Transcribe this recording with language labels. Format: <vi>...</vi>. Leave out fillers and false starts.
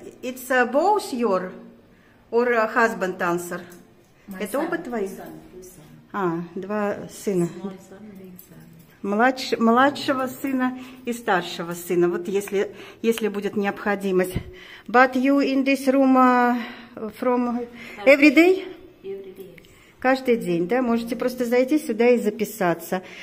<en>It's both your or husband answer?</en> <ru>Это оба твои? А, два сына. Младшего сына и старшего сына, вот если будет необходимость.</ru> <en>But you in this room from every day?</en> <ru>Каждый день, да? Можете просто зайти сюда и записаться.</ru>